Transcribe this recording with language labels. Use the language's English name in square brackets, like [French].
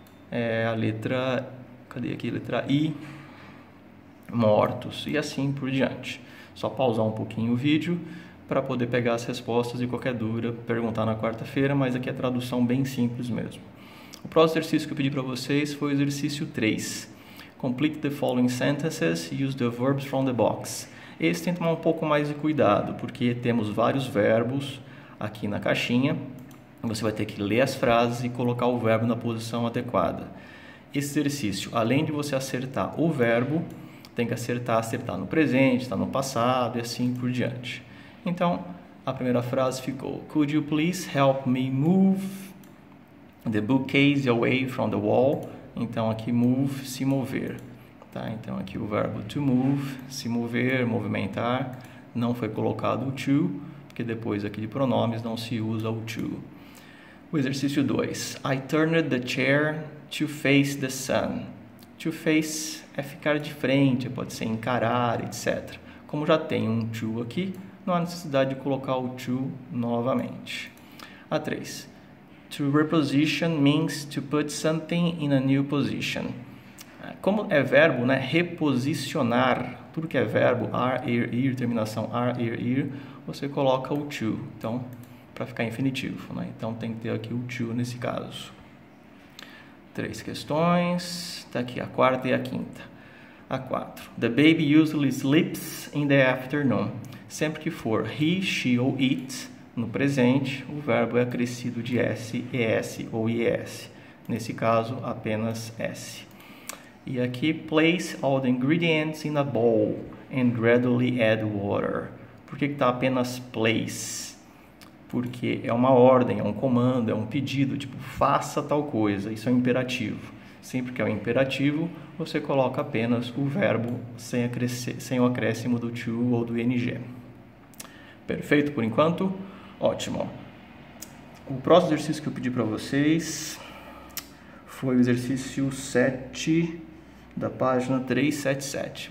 [Portuguese] É a letra, cadê aqui? Letra I, mortos, e assim por diante. Só pausar um pouquinho o vídeo para poder pegar as respostas e qualquer dúvida perguntar na quarta-feira, mas aqui é tradução bem simples mesmo. O próximo exercício que eu pedi para vocês foi o exercício 3. [English] Complete the following sentences, use the verbs from the box. [Portuguese] Esse tem que tomar um pouco mais de cuidado, porque temos vários verbos aqui na caixinha. Você vai ter que ler as frases e colocar o verbo na posição adequada. Esse exercício, além de você acertar o verbo, tem que acertar no presente, está no passado e assim por diante. Então, a primeira frase ficou: [English] Could you please help me move the bookcase away from the wall? [Portuguese] Então, aqui move, se mover. Tá? Então, aqui o verbo to move, se mover, movimentar. Não foi colocado o to, porque depois aqui de pronomes não se usa o to. O exercício 2. [English] I turned the chair to face the sun. [Portuguese] To face é ficar de frente, pode ser encarar, etc. Como já tem um to aqui, não há necessidade de colocar o to novamente. A 3. [English] To reposition means to put something in a new position. [Portuguese] Como é verbo, né? Reposicionar, tudo que é verbo, are, ir, terminação are, ir, você coloca o to. Então, para ficar infinitivo, né? Então tem que ter aqui o to nesse caso. Três questões. Está aqui a quarta e a quinta. A 4. [English] The baby usually sleeps in the afternoon. [Portuguese] Sempre que for he, she ou it, No presente, o verbo é acrescido de S, ES ou IES. Nesse caso, apenas S. E aqui, [English] place all the ingredients in a bowl and gradually add water. [Portuguese] Por que que está apenas place? Porque é uma ordem, é um comando, é um pedido, tipo, faça tal coisa. Isso é um imperativo. Sempre que é um imperativo, você coloca apenas o verbo sem o acréscimo do to ou do ing. Perfeito por enquanto? Ótimo. O próximo exercício que eu pedi para vocês foi o exercício 7 da página 377.